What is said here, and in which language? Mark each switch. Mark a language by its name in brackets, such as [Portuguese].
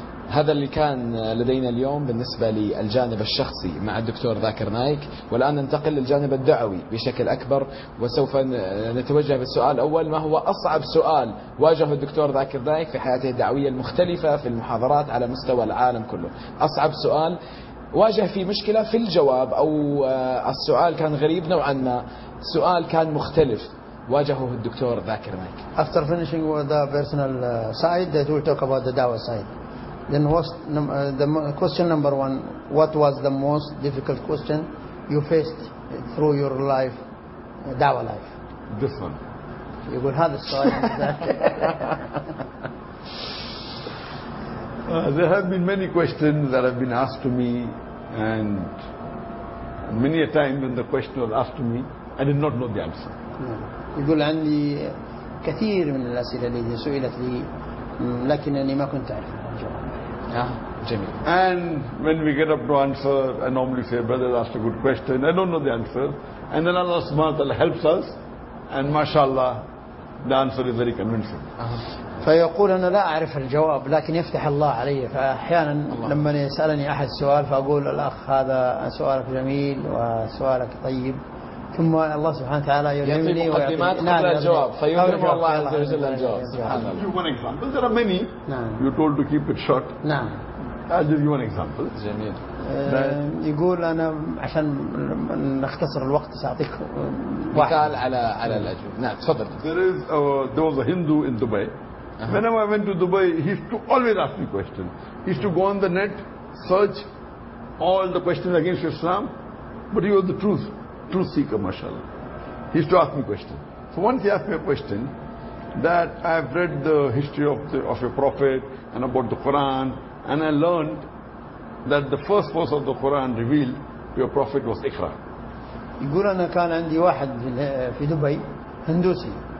[Arabic] هذا اللي كان لدينا اليوم بالنسبة للجانب الشخصي مع الدكتور ذاكر نايك، والآن ننتقل للجانب الدعوي بشكل أكبر، وسوف نتوجه بالسؤال الأول: ما هو أصعب سؤال واجهه الدكتور ذاكر نايك في حياته الدعوية المختلفة في المحاضرات على مستوى العالم كله؟ أصعب سؤال واجه فيه مشكلة في الجواب، أو السؤال كان غريب نوعا ما، سؤال كان مختلف واجهه الدكتور ذاكر نايك؟ [English] After finishing with the personal side, we'll talk about the da'wah side. Then what the question number one? What was the most difficult question you faced through your life, dawah life? This one. You will have the story. There have been many questions that have been asked to me, and many a time when the question was asked to me, I did not know the answer. [Arabic] يقول عندي كثير من الأسئلة التي سئلت لي لكنني ما كنت أعرف جميل. [English] And when we get up to answer, I normally say, brother asked a good question, I don't know the answer. And then Allah subhanahu wa ta'ala helps us, and mashallah, the answer is very convincing. [Arabic] فيقول أنا لا أعرف الجواب لكن يفتح الله علي. فأحيانا لما يسألني أحد سؤال فأقول الأخ هذا سؤالك جميل وسؤالك طيب, ثم الله سبحانه وتعالى يلهمني مقدمات قبل الجواب فيلهم الله عز وجل الجواب. [English] I'll give you one example. There are many. You told to keep it short. I'll give you one example. [Arabic] جميل. يقول أنا عشان نختصر الوقت سأعطيك مثال على الأجوبة. نعم تفضل. [English] There was a Hindu in Dubai. Whenever I went to Dubai, he used to always ask me questions. He used to go on the net, search all the questions against Islam, but he was the truth seeker, mashallah. He used to ask me questions. So once he asked me a question, that I have read the history of a prophet and about the Quran, and I learned that the first verse of the Quran revealed to a prophet was Iqra. [Arabic] يقول أنا كان عندي واحد في دبي هندوسي.